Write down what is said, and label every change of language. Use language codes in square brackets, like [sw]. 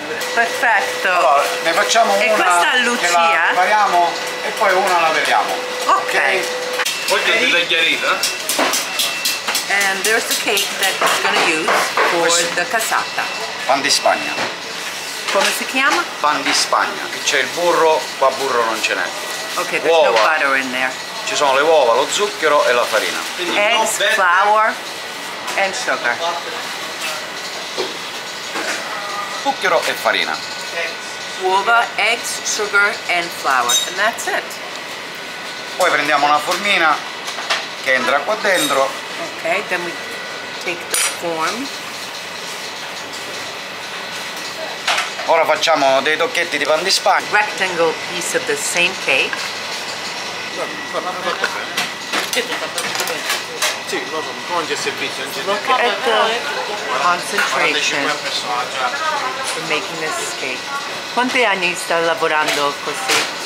[it] Perfetto. Allora, ne facciamo una. E questa è Lucia. La prepariamo e poi una la beviamo. Ok. Oggi ti dai chiarita. [en] And there's the cake that he's going to use for the cassata. [it] Pan di Spagna. Come si chiama? Pan di Spagna. Che c'è il burro, qua burro non ce n'è. [en] Ok, there's uova. No butter in there. [it] Ci sono le uova, lo zucchero e la farina. [en] Eggs, flour and sugar. [it] Zucchero e farina. [en] Uova, eggs, sugar and flour. And that's it. [it] Poi prendiamo una formina che entra qua dentro. [en] Ok, then we take the form. [it] Ora facciamo dei tocchetti di pan di Spagna. [en] Rectangle piece of the same cake. Look at the concentration for making this cake. [it] Quanti anni sta lavorando così?